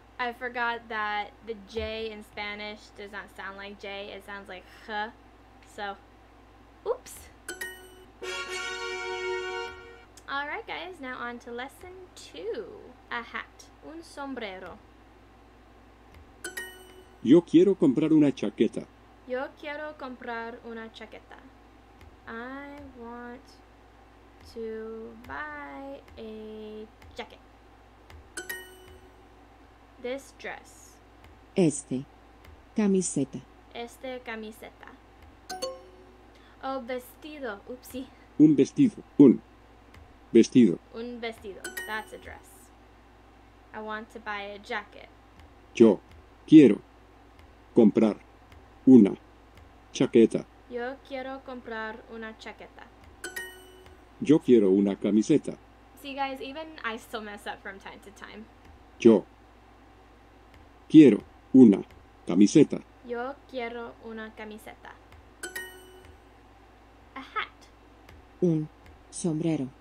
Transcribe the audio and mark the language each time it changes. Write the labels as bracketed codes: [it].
[en] I forgot that the J in Spanish does not sound like J. It sounds like H. So, oops. All right, guys, now on to lesson two. A hat, [es] un sombrero. Yo quiero comprar una chaqueta. Yo quiero comprar una chaqueta. [en] I want to buy a jacket. This dress. [es] Este camiseta. Este camiseta. Oh, vestido. Oopsie. Un vestido. Un vestido. Un vestido. [en] That's a dress. I want to buy a jacket. [es] Yo quiero comprar una chaqueta. Yo quiero comprar una chaqueta. Yo quiero una camiseta. [en] See, guys, even I still mess up from time to time. [es] Yo quiero una camiseta. Yo quiero una camiseta. [en] A hat. [es] Un sombrero.